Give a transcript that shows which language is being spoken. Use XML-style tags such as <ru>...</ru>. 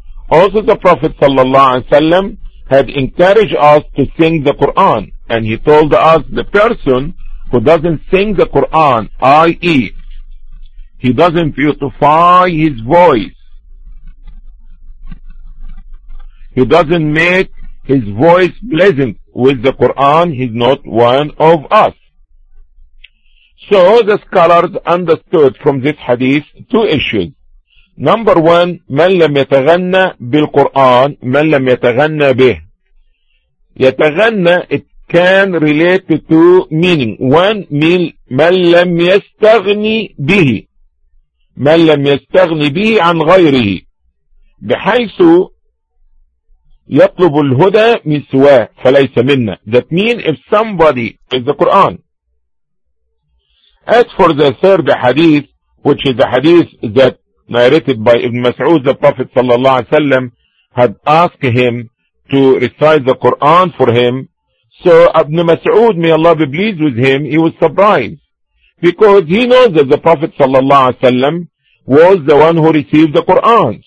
<en>Also, the Prophet sallallahu alaihi wasallam had encouraged us to sing the Quran, and he told us the person who doesn't sing the Quran, i.e., he doesn't beautify his voice, he doesn't make his voice pleasant with the Quran, he's not one of us. So the scholars understood from this hadith two issues. Number one,</en> <ar>من لم يتغنى بالقرآن, من لم يتغنى به.</ar> <en>يتغنى, it can relate to two meaning.</en> <ar>One, من لم يستغني به. من لم يستغني به عن غيره. بحيث يطلب الهدى من سواه فليس منا.</ar> <en>That means if somebody is the Quran. As for the third hadith, which is the hadith that narrated by Ibn Mas'ud, the Prophet sallallahu alaihi wasallam had asked him to recite the Quran for him. So Ibn Mas'ud, may Allah be pleased with him, he was surprised, because he knows that the Prophet sallallahu alaihi wasallam was the one who received the Quran.</en>